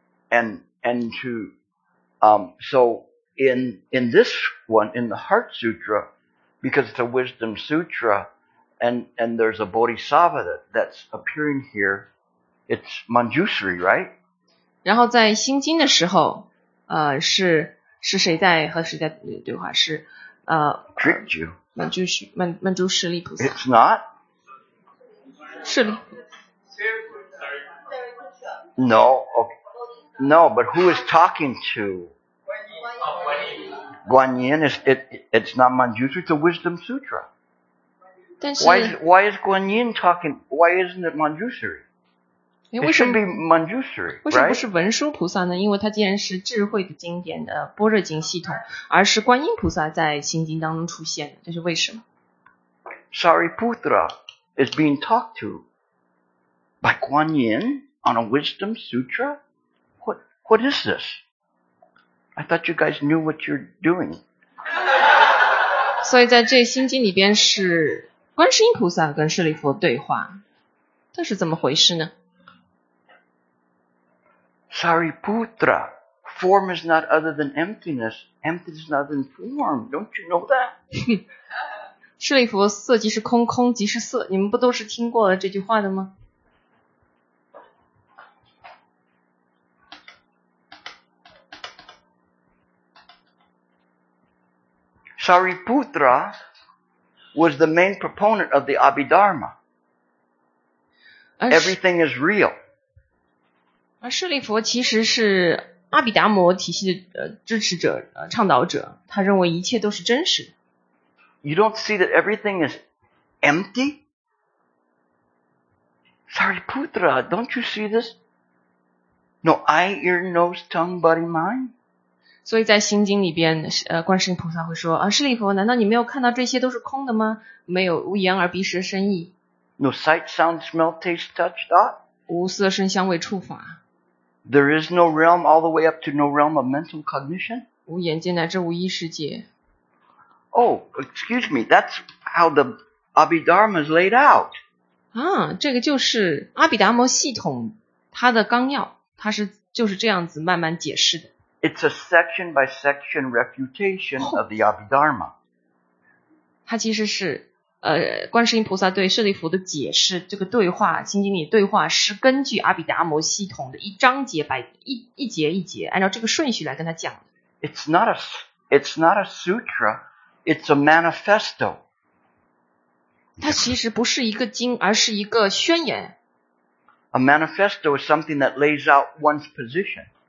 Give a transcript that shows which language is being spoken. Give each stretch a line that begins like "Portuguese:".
English: And to so in this one, in the Heart Sutra, because it's a wisdom sutra. And there's a bodhisattva that's appearing here. It's Manjushri, right?
Chinese: 然后在心经的时候，是谁在和谁在对话？是
English: tricked you.
Chinese: Manjushri 菩萨。
English: It's not.
Chinese: 是。
English: No. Okay. No. But who is talking to? Guanyin is it's not Manjushri. It's a wisdom sutra. Why is Guanyin talking? Why isn't it Manjushri? It should be Manjushri, right?
Chinese: 为什么不是文殊菩萨呢？因为它既然是智慧的经典的般若经系统，而是观音菩萨在心经当中出现的，这是为什么？
English: Sariputra is being talked to by Guanyin on a wisdom sutra. What is this? I thought you guys knew what you're doing.
Chinese: 所以在这心经里边是。观世音菩萨跟舍利弗对话，这是怎么回事呢？
English: Sariputra, form is not other than emptiness. Emptiness is not other than form. Don't you know that?
Chinese: 舍利弗，色即是空，空即是色。你们不都是听过了这句话的吗？
English: Sariputra. Was the main proponent of the Abhidharma. Everything is real.
Chinese: 而舍利弗其实是阿毗达摩体系的支持者、倡导者，他认为一切都是真实的。
English: You don't see that everything is empty? Sariputra, don't you see this? No eye, ear, nose, tongue, body, mind?
Chinese: 所以在心经里边，观世音菩萨会说啊，舍利弗，难道你没有看到这些都是空的吗？没有无眼耳鼻舌身意。
English: No sight, sound, smell, taste, touch, thought.
Chinese: 无色声香味触法。
English: There is no realm all the way up to no realm of mental cognition.
Chinese: 无眼界乃至无意识界。
English: Oh, excuse me, that's how the Abhidharma is laid out.
Chinese: 啊，这个就是阿毗达摩系统它的纲要，它是就是这样子慢慢解释的。
English: It's a section by section refutation of the Abhidharma.
Chinese: 它其实是观世音菩萨对舍利弗的解释，这个对话，心经里对话是根据阿毗达摩系统的一章节白一节一节，按照这个顺序来跟他讲的。
English: It's not a sutra. It's a manifesto.
Chinese: 它其实不是一个经，而是一个宣言。
English: A manifesto is something that lays out one's position.